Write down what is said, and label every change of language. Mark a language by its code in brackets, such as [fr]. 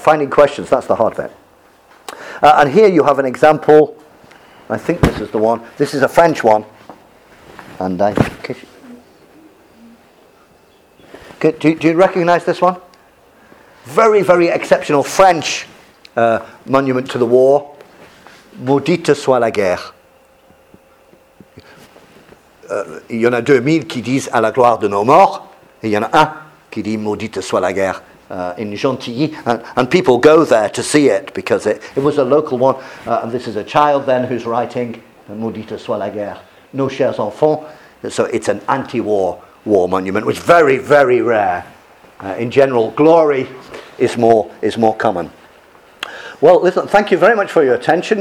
[en] Finding questions, that's the hard bit. And here you have an example. I think this is the one. This is a French one. And I do you recognize this one? Very, very exceptional French monument to the war. [fr] Maudite soit la guerre. Il y en a 2000 qui disent à la gloire de nos morts, et il y en a un qui dit maudite soit la guerre. [en] In Gentilly, and people go there to see it because it was a local one. And this is a child then who's writing, [fr] Maudite soit la guerre, nos chers enfants. [en] So it's an anti-war monument, which is very, very rare. In general, glory is more common. Well, listen, thank you very much for your attention.